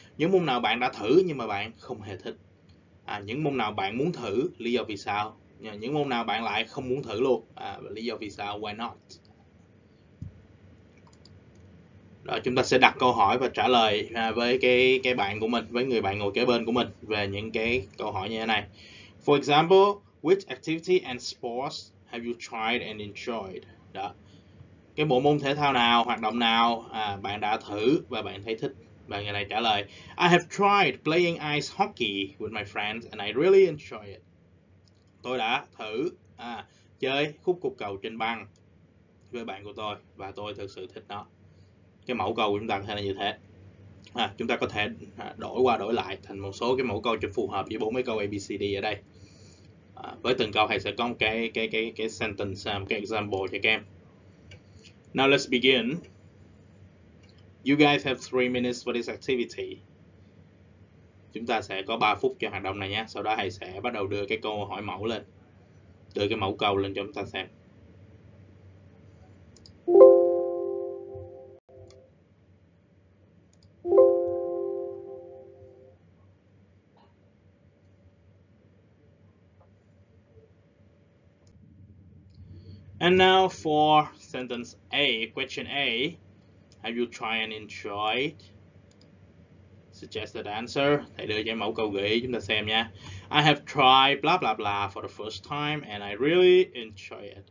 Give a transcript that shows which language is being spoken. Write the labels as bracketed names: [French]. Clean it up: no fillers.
[Vietnamese] Những môn nào bạn đã thử nhưng mà bạn không hề thích? Những môn nào bạn muốn thử, lý do vì sao? Những môn nào bạn lại không muốn thử luôn, lý do vì sao? [English] Why not? [Vietnamese] Rồi, chúng ta sẽ đặt câu hỏi và trả lời với cái bạn của mình, với người bạn ngồi kế bên của mình về những cái câu hỏi như thế này. [English] For example, which activity and sports have you tried and enjoyed? [Vietnamese] Đó. Cái bộ môn thể thao nào, hoạt động nào bạn đã thử và bạn thấy thích? Và người này trả lời, [English] I have tried playing ice hockey with my friends and I really enjoy it. [Vietnamese] Tôi đã thử chơi khúc cục cầu trên băng với bạn của tôi và tôi thực sự thích nó. Cái mẫu câu của chúng ta có thể là như thế. Chúng ta có thể đổi qua đổi lại thành một số cái mẫu câu cho phù hợp với bốn mấy câu ABCD ở đây. Với từng câu thầy sẽ có một cái sentence, cái example cho các em. [English] Now let's begin. You guys have 3 minutes for this activity. [Vietnamese] Chúng ta sẽ có 3 phút cho hoạt động này nhé. Sau đó thầy sẽ bắt đầu đưa cái câu hỏi mẫu lên. Đưa cái mẫu câu lên cho chúng ta xem. [English] And now for sentence A, question A. Have you tried and enjoyed? Suggested answer. [Vietnamese] Thầy đưa cho em mẫu câu gợi ý chúng ta xem nha. [English] I have tried blah blah blah for the first time and I really enjoy it.